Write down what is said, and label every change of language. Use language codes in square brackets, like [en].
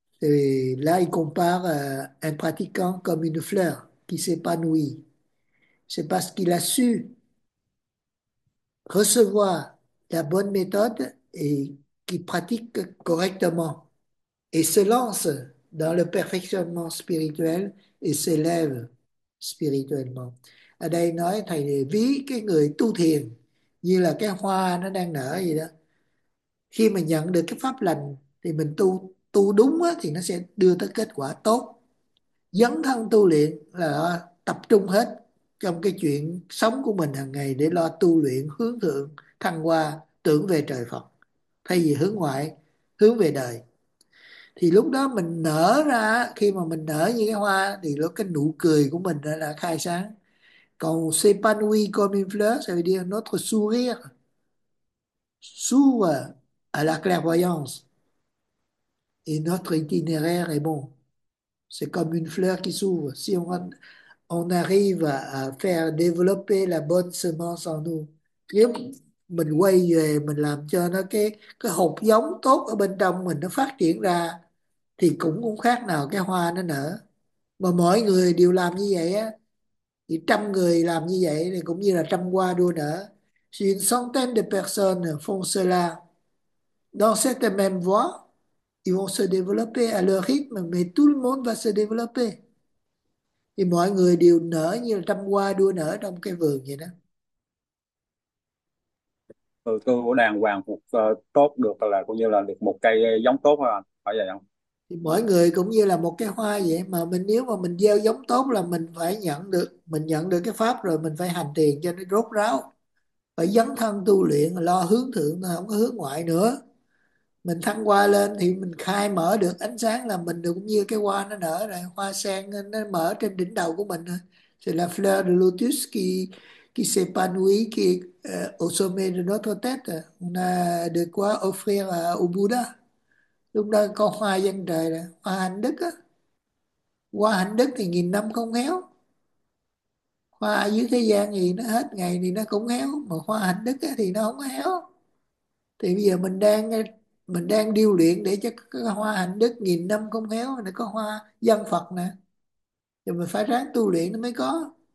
[fr] Et là, il compare un pratiquant comme une fleur qui s'épanouit. C'est parce qu'il a su recevoir La bonne méthode est qu'il pratique correctement et se lance dans le perfectionnement spirituel et s'élève spirituellement. [vi] Ở đây nói thầy ví cái người tu thiền như là cái hoa nó đang nở gì đó. Khi mà nhận được cái pháp lành thì mình tu tu đúng á, thì nó sẽ đưa tới kết quả tốt. Dấn thân tu luyện là tập trung hết trong cái chuyện sống của mình hàng ngày để lo tu luyện hướng thượng thăng hoa tưởng về trời Phật thay vì hướng ngoại hướng về đời. Thì lúc đó mình nở ra, khi mà mình nở như cái hoa thì lúc cái nụ cười của mình đã là khai sáng. [fr] Còn s'épanouir comme une fleur, ça veut dire notre sourire s'ouvre à la clairvoyance et notre itinéraire est bon. C'est comme une fleur qui s'ouvre. [vi] Si on arrive à faire développer la bonne semence en nous, nếu mình quay về mình làm cho nó cái hột giống tốt ở bên trong mình nó phát triển ra thì cũng cũng khác nào cái hoa nó nở. Mà mọi người đều làm như vậy á, thì 100 người làm như vậy thì cũng như là 100 hoa đua nở. [fr] Si une centaine de personnes font cela dans cette même voie, ils vont se développer à leur rythme, mais tout le monde va se développer. [vi] Thì mọi người đều nở như là 100 hoa đua nở trong cái vườn vậy đó. Ừ, tôi cũng đàng hoàng phục tốt được là coi như là được một cây giống tốt hả anh? Phải vậy không? Thì mỗi người cũng như là một cái hoa vậy, mà mình nếu mà mình gieo giống tốt là mình phải nhận được, mình nhận được cái pháp rồi mình phải hành thiền cho nó rốt ráo, phải dấn thân tu luyện lo hướng thượng, nó không có hướng ngoại nữa. Mình thăng hoa lên thì mình khai mở được ánh sáng, là mình được cũng như cái hoa nó nở rồi, hoa sen nó mở trên đỉnh đầu của mình rồi. [fr] C'est la fleur de lotus qui s'épanouit au sommet de notre tête, on a de quoi offrir au Buddha. [vi] Lúc đó có hoa dân trời là hoa hạnh đức á. Hoa hạnh đức thì nghìn năm không héo, hoa dưới thế gian thì nó hết ngày thì nó cũng héo, mà hoa hạnh đức á, thì nó không héo. Thì bây giờ mình đang điêu luyện để cho cái hoa hạnh đức nghìn năm không héo, nó có hoa dân Phật nè, thì mình phải ráng tu luyện nó mới có.